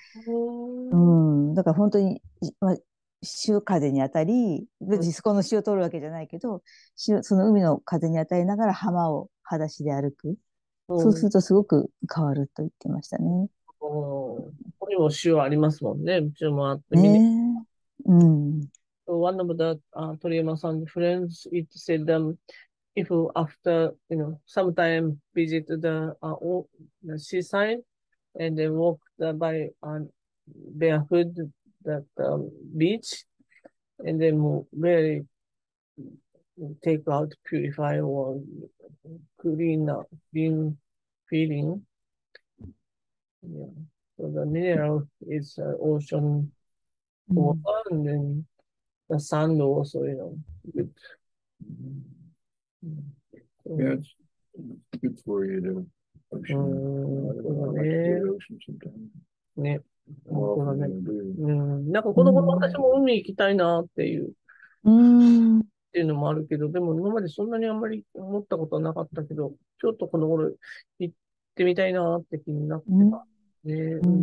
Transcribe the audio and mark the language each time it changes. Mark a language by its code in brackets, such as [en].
[ja] だから本当に、まあ、潮風に当たり、別にそこの潮を通るわけじゃないけど、その海の風に当たりながら浜を裸足で歩く。そうするとすごく変わると言ってましたね。ここにも塩ありますもんね。うちもあってみね。ね [en] One of the 鳥山さん friends, it said them, if after, sometime visit the seaside and then walk by barefoot that beach and then very take out purify or clean up being feeling. So the mineral is ocean water and then the sand also, good. Yeah, it's good for you to ocean. I like to go to the ocean sometime. [ja] ね。 [en] More [ja] 本当だ [en] often [ja] ね。 [en] than I do. [ja] なんかこの頃私も海行きたいなっていうのもあるけど、でも今までそんなにあんまり思ったことはなかったけど、ちょっとこの頃行ってみたいなって気になってたね。